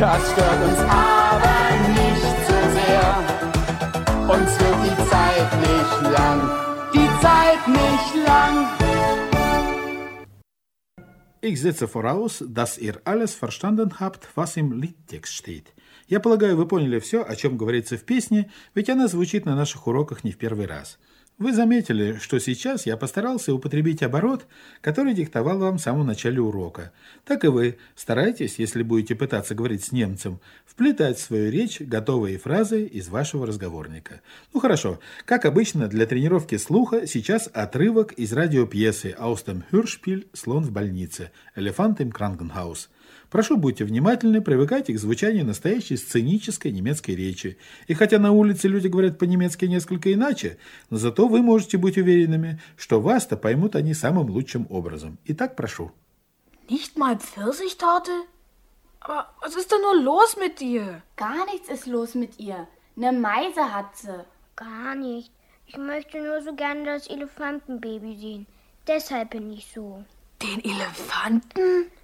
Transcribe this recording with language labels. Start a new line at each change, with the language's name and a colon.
German: Das stört uns aber nicht so sehr, uns wird die Zeit nicht lang, die Zeit nicht lang. Ich setze voraus, dass ihr alles verstanden habt, was im Liedtext steht.
Russian: Я полагаю, вы поняли все, о чем говорится в песне, ведь она звучит на наших уроках не в первый раз. Вы заметили, что сейчас я постарался употребить оборот, который диктовал вам в самом начале урока. Так и вы старайтесь, если будете пытаться говорить с немцем, вплетать в свою речь готовые фразы из вашего разговорника. Ну хорошо, как обычно, для тренировки слуха сейчас отрывок из радиопьесы
German: «Aus dem Hörspiel
Russian: «Слон в больнице»
German: «Elefant im Krankenhaus».
Russian: Прошу, будьте внимательны, привыкайте к звучанию настоящей сценической немецкой речи. И хотя на улице люди говорят по-немецки несколько иначе, но зато вы можете быть уверенными, что вас-то поймут они самым лучшим образом. Итак, прошу.
German: Nicht mal Pfirsichtorte? Aber was ist denn nur los mit dir? Gar nichts ist los mit ihr. Eine Meise hat sie. Gar nicht. Ich möchte nur so gerne das Elefantenbaby sehen. Deshalb bin ich so. Den Elefanten?